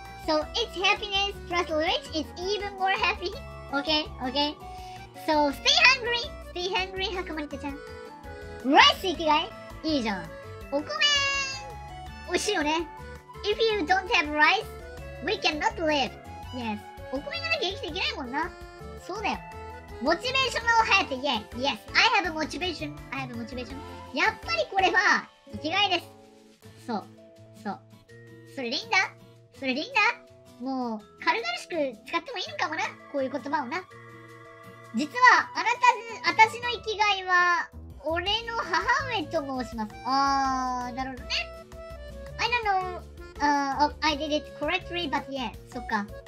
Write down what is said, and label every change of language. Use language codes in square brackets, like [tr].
[en] So it's happiness plus rich is even more happy. Okay. So stay hungry! Stay hungry, ハクマリカちゃん。 [ja] ライス生きがい？いいじゃん。お米美味しいよね。 [en] If you don't have rice, we cannot live. Yes. [ja] お米がなきゃ生きていけないもんな。そうだよ。モチベーションを早く、 [en] yeah. Yes. I have a motivation. I have a motivation. [ja] やっぱりこれは生きがいです。そう。そう。それでいいんだ。それでいいんだ。もう軽々しく使ってもいいのかもな。こういう言葉をな。実は、あなた、私の生きがいは、俺の母上と申します。あー、なるほどね。 [en] I don't know, I did it correctly, but yeah, [ja] そっか。